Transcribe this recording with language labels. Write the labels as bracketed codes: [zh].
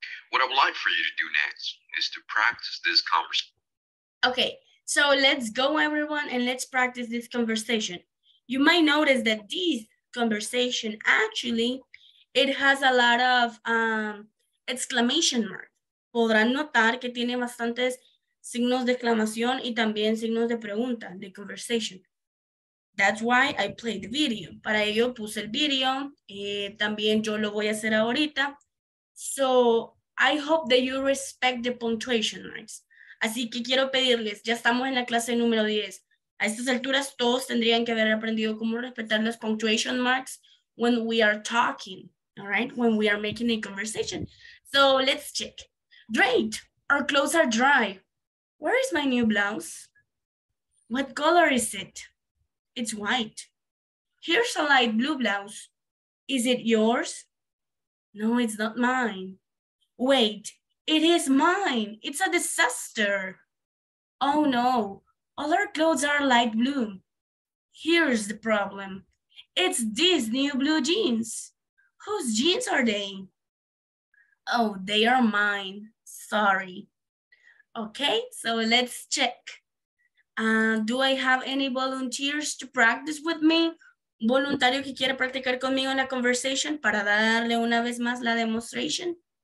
[en] What I would like for you to do next is to practice this conversation. Okay, so let's go everyone and let's practice this conversation. You might notice that this conversation actually, it has a lot of, exclamation mark. [es] Podrán notar que tiene bastantes signos de exclamación y también signos de pregunta, de conversation. [en] That's why I played the video. [es] Para ello puse el video. También yo lo voy a hacer ahorita. [en] So I hope that you respect the punctuation marks. [es] Así que quiero pedirles, ya estamos en la clase número 10. A estas alturas todos tendrían que haber aprendido cómo respetar las [en] punctuation marks when we are talking. All right, when we are making a conversation. So let's check. Great, our clothes are dry. Where is my new blouse? What color is it? It's white. Here's a light blue blouse. Is it yours? No, it's not mine. Wait, it is mine. It's a disaster. Oh no, all our clothes are light blue. Here's the problem. It's these new blue jeans. Whose jeans are they? Oh, they are mine. Sorry. Okay, so let's check. Do I have any volunteers to practice with me? [es] ¿Voluntario que quiera practicar conmigo en la conversation para darle una vez más la demostration?